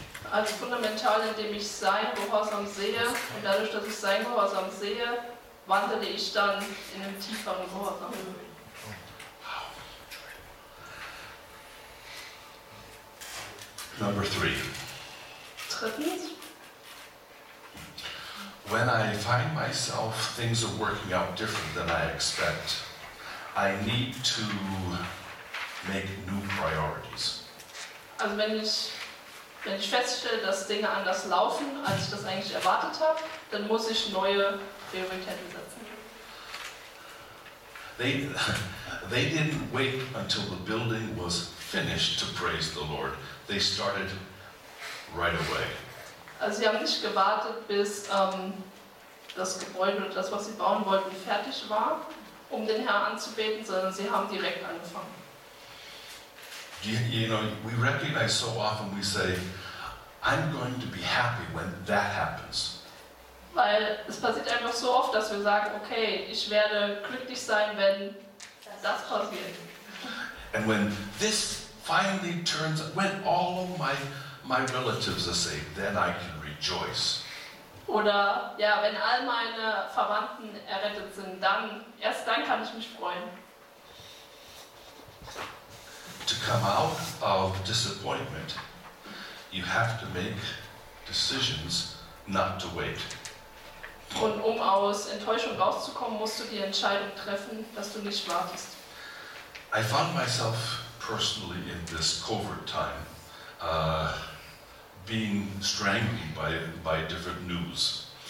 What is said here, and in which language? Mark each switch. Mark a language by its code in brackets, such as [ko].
[de] Als fundamental, indem ich sein Gehorsam sehe, und dadurch, dass ich sein Gehorsam sehe, wandle ich dann in einem tieferen Gehorsam. [en] Number three. [de] Drittens. [en] When I find myself, things are working out different than I expect, I need to make new priorities. [de] Also wenn ich feststelle, dass Dinge anders laufen, als ich das eigentlich erwartet habe, dann muss ich neue Prioritäten setzen. [en] They didn't wait until the building was finished to praise the Lord. They started right away. [de] Also sie haben nicht gewartet, bis das Gebäude oder das, was sie bauen wollten, fertig war, um den Herrn anzubeten, sondern sie haben direkt angefangen. [en] You know, we recognize so often, we say, I'm going to be happy when that happens. [de] Weil es passiert einfach so oft, dass wir sagen, okay, ich werde glücklich sein, wenn das passiert. [en] And when this finally turns, when all of my relatives are saved, then I can rejoice. [de] Oder, ja, wenn all meine Verwandten errettet sind, dann, erst dann kann ich mich freuen. [en] To come out of disappointment, you have to make decisions not to wait. [de] Und um aus Enttäuschung rauszukommen, musst du die Entscheidung treffen, dass du nicht wartest. [en] I found myself personally in this covert time being strangled by different news.